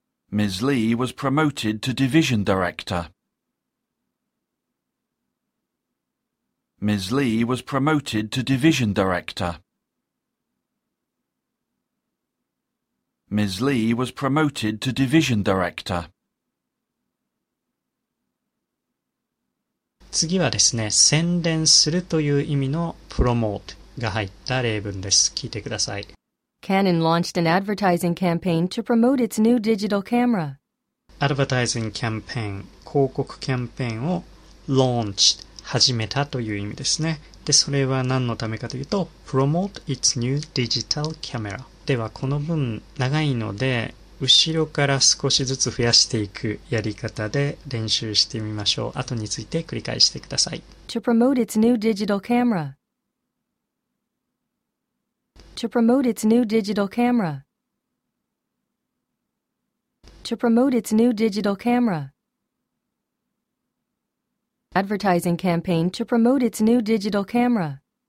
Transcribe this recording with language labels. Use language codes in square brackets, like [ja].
[en] Ms. Lee was promoted to division director. Ms. Lee was promoted to division director. Ms. Lee was promoted to division director. [ja] 次はですね、宣伝するという意味の promote が入った例文です。聞いてください。 [en] Canon launched an advertising campaign to promote its new digital camera. [ja] Advertising campaign、広告キャンペーンを launched。始めたという意味ですね。で、それは何のためかというと、 [en] promote its new digital camera。 [ja] では、この文長いので、後ろから少しずつ増やしていくやり方で練習してみましょう。後について繰り返してください。 [en] To promote its new digital camera. To promote its new digital camera. To promote its new digital camera. Advertising campaign to promote its new digital camera.